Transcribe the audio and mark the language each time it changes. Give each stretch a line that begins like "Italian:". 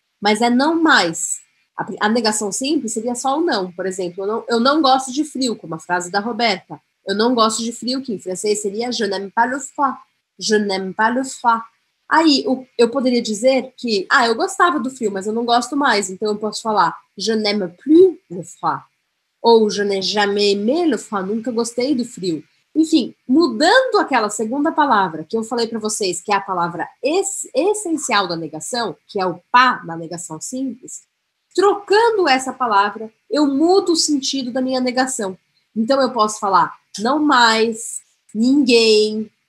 Portuguese: Mas é não mais. A negação simples seria só o não. Por exemplo, eu não gosto de frio, como a frase da Roberta. Eu não gosto de frio, que em francês seria
French: je n'aime pas le froid. Je n'aime pas le froid.
Portuguese: Aí, eu poderia dizer que, eu gostava do frio, mas eu não gosto mais. Então, eu posso falar
French: je n'aime plus le froid. Ou je n'ai jamais aimé le froid.
Portuguese: Nunca gostei do frio. Enfim, mudando aquela segunda palavra que eu falei para vocês, que é a palavra essencial da negação, que é o pá na negação simples, trocando essa palavra, eu mudo o sentido da minha negação. Então, eu posso falar não mais, ninguém.